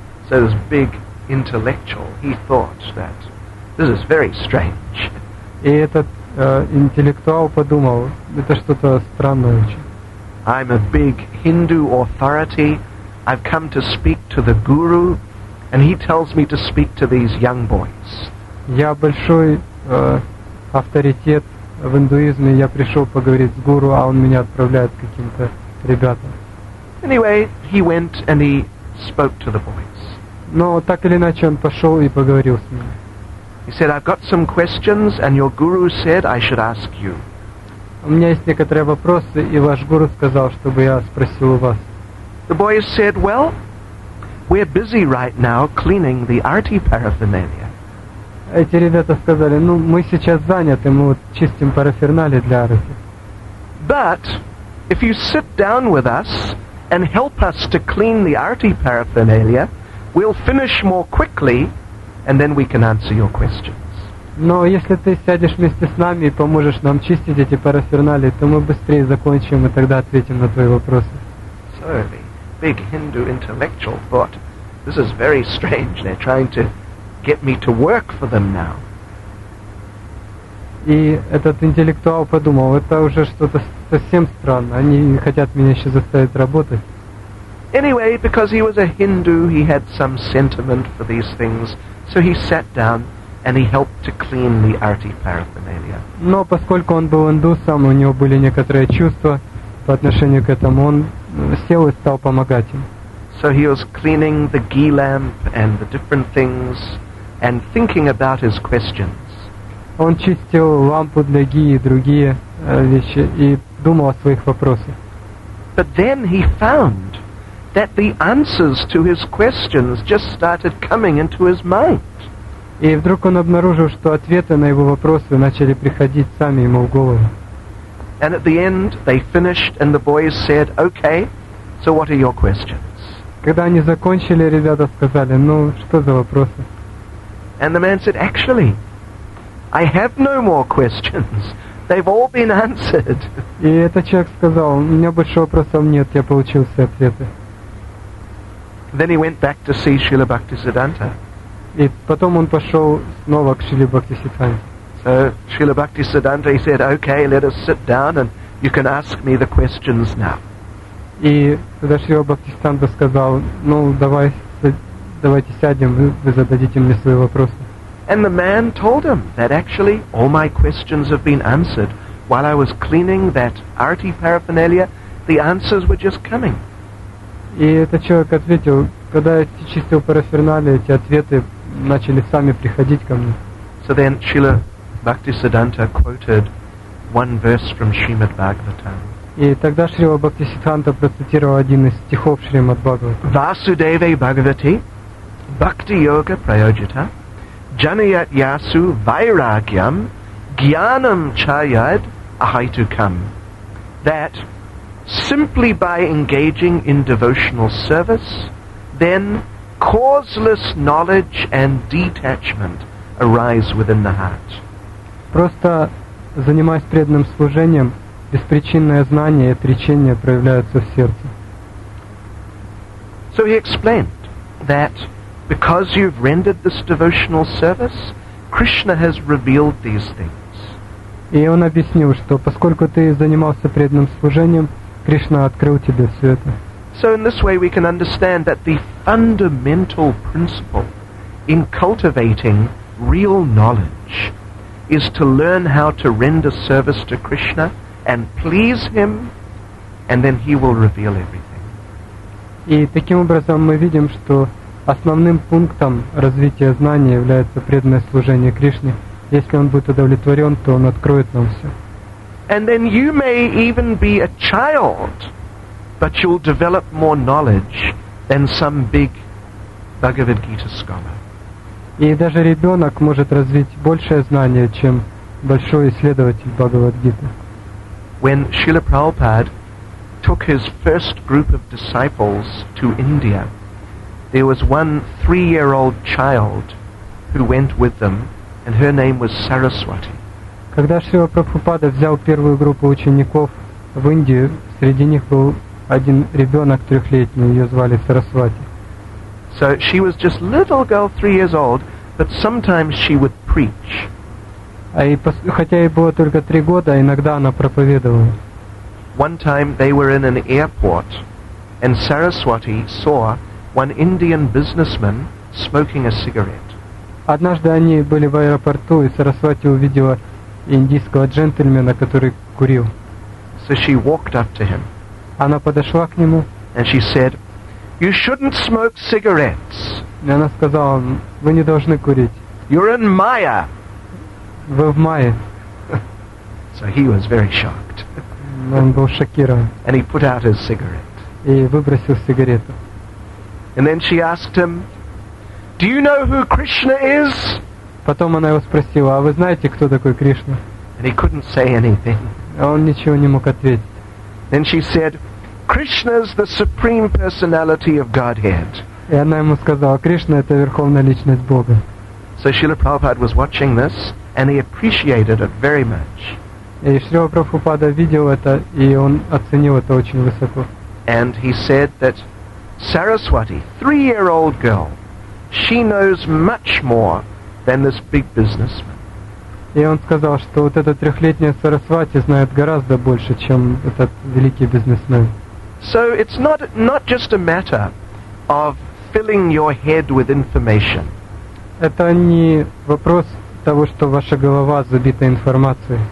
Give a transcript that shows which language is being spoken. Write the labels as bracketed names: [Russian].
[English] So this big intellectual, he thought that this is very strange. [Russian] И этот интеллектуал подумал, это что-то странное очень. [English] I'm a big Hindu authority. I've come to speak to the guru, and he tells me to speak to these young boys. [Russian] Я большой авторитет в индуизме, я пришел поговорить с гуру, а он меня отправляет к каким-то ребятам. [English] Anyway, he went and he spoke to the boys. [Russian] Но так или иначе он пошел и поговорил с ними. [English] He said, "I've got some questions, and your guru said I should ask you." [Russian] У меня есть некоторые вопросы, и ваш гуру сказал, чтобы я спросил у вас. [English] The boys said, "Well, we're busy right now cleaning the arati paraphernalia." [Russian] Эти ребята сказали, ну, мы сейчас заняты, мы вот чистим параферналии для арати. [English] But if you sit down with us and help us to clean the arati paraphernalia, we'll finish more quickly, and then we can answer your questions. [Russian] Но если ты сядешь вместе с нами и поможешь нам чистить эти параферналии, то мы быстрее закончим и тогда ответим на твои вопросы. [English] So the big Hindu intellectual thought, this is very strange, they're trying to get me to work for them now. [Russian] И этот интеллектуал подумал, это уже что-то совсем странно, они хотят меня сейчас заставить работать. [English] Anyway, because he was a Hindu, he had some sentiment for these things, so he sat down and he helped to clean the arati paraphernalia. [Russian] Но поскольку он был индусом, у него были некоторые чувства по отношению к этому, он сел и стал помогать им. [English] So he was cleaning the ghee lamp and the different things and thinking about his questions. [Russian] Он чистил лампу для ghee и другие вещи и думал о своих вопросах. [English] But then he found that the answers to his questions just started coming into his mind. [Russian] И вдруг он обнаружил, что ответы на его вопросы начали приходить сами ему в голову. [English] And at the end they finished and the boys said, "Okay, so what are your questions?" [Russian] Когда они закончили, ребята сказали, ну, что за вопросы? [English] And the man said, "Actually, I have no more questions. They've all been answered." [Russian] И этот человек сказал, у меня больше вопросов нет, я получил все ответы. [English] Then he went back to see Srila Bhaktisiddhanta. [Russian] И потом он пошел снова к Шриле Бхактисиддханте. [English] So Srila Bhaktisiddhanta, he said, "Okay, let us sit down and you can ask me the questions now." [Russian] И тогда Шрила Бхактисиддханта сказал, ну, давайте сядем, вы зададите мне свои вопросы. [English] And the man told him that actually all my questions have been answered. While I was cleaning that arati paraphernalia, the answers were just coming. [Russian] И этот человек ответил, когда я чистил параферналии, эти ответы начали сами приходить ко мне. [English] So then Srila Bhaktisiddhanta quoted one verse from Srimad Bhagavatam. [Russian] И тогда Шрила Бхактисиддханта процитировал один из стихов Шримад Бхагаватам. [Sanskrit] Васудеве Бхагавати Бхакти Йога Прайоджита Джанаят Ясу Вайрагьям Гьянам Чаяд Ахайтукам. [English] That simply by engaging in devotional service, then causeless knowledge and detachment arise within the heart. [Russian] Просто занимаясь преданным служением, беспричинное знание и отречение проявляются в сердце. [English] So he explained that Because you've rendered this devotional service, Krishna has revealed these things. [Russian] И он объяснил, что поскольку ты занимался преданным служением, Кришна открыл тебе все это. [English] So in this way we can understand that the fundamental principle in cultivating real knowledge is to learn how to render service to Krishna and please Him, and then He will reveal everything. [Russian] И таким образом мы видим, что основным пунктом развития знания является преданное служение Кришне. Если он будет удовлетворен, то он откроет нам все. [English] And then you may even be a child, but you'll develop more knowledge than some big Bhagavad Gita scholar. [Russian] И даже ребенок может развить большее знание, чем большой исследователь Бхагавад-гиты. [English] When Srila Prabhupada took his first group of disciples to India, there was one three-year-old child who went with them, and her name was Saraswati. [Russian] Когда Шрила Прабхупада взял первую группу учеников в Индию, среди них был один ребенок трехлетний, ее звали Сарасвати. [English] So she was just little girl, 3 years old, but sometimes she would preach. [Russian] Хотя ей было только 3 года, иногда она проповедовала. [English] One time they were in an airport, and Saraswati saw one Indian businessman smoking a cigarette. [Russian] Однажды они были в аэропорту, и Сарасвати увидела индийского джентльмена, который курил. [English] So she walked up to him. [Russian] Она подошла к нему. [English] And she said, "You shouldn't smoke cigarettes." [Russian] И она сказала, вы не должны курить. [English] "You're in Maya." [Russian] Вы в Майе. [English] So he was very shocked. [Russian] Он был шокирован. [English] And he put out his cigarette. [Russian] И выбросил сигарету. [English] And then she asked him, "Do you know who Krishna is?" [Russian] Потом она его спросила, а вы знаете, кто такой Кришна? [English] And he couldn't say anything. [Russian] Он ничего не мог ответить. [English] Then she said, "Krishna's the supreme personality of Godhead." [Russian] И она ему сказала, Кришна — это верховная личность Бога. [English] So Srila Prabhupada was watching this, and he appreciated it very much. [Russian] И Шрила Прабхупада видел это, и он оценил это очень высоко. [English] And he said that Saraswati, 3-year-old girl, she knows much more than this big businessman. [Russian] И он сказал, что вот эта трехлетняя Сарасвати знает гораздо больше, чем этот великий бизнесмен. [English] So it's not just a matter of filling your head with information. [Russian] Это не вопрос того, что ваша голова забита информацией.